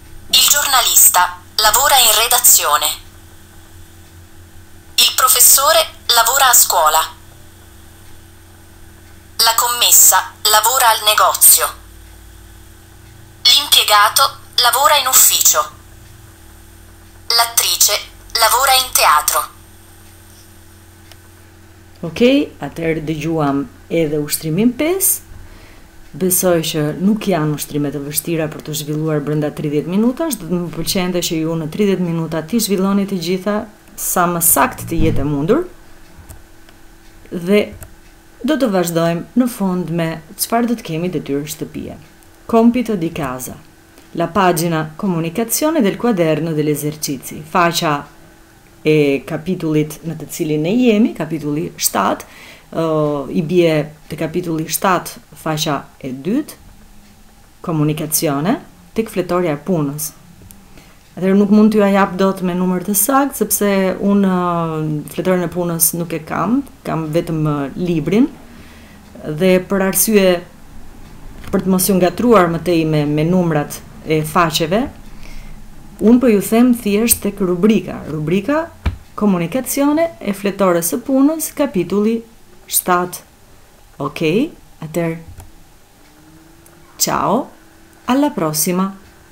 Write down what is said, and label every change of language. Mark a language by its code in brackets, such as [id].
[it] Il giornalista lavora in redazione. Il professore lavora a scuola. La commessa lavora al negozio. L'impiegato lavora in ufficio. L'attrice lavora in teatro. [sq] Ok, atëherë dëgjuam edhe ushtrimin 5. Besoj që nuk janë ushtrime të vështira për të zhvilluar brenda 30 minutash, do të më pëlqente që ju në 30 minuta ti zhvilloni të gjitha sa më sakt të jetë mundur. Dhe do të vazhdojmë në fund me çfarë do të kemi detyrë shtëpie. [it] Compito di casa. La pagina comunicazione del quaderno degli esercizi. [sq] Faqa e kapitullit në të cilin ne jemi, kapitulli 7. I bie të kapitulli 7, faqa e 2, komunikacione, tek fletoria e punës. Atëherë nuk mund t'ju ajap dot me numër të sakt, sepse unë fletorin e punës nuk e kam, kam vetëm librin, dhe për arsye, për të mos ju ngatruar më tej me numrat e faqeve, unë po ju them thjesht tek rubrika, komunikacione e fletores e punës, kapitulli 7. [it] Ok, [sq] atër, [it] ciao, alla prossima!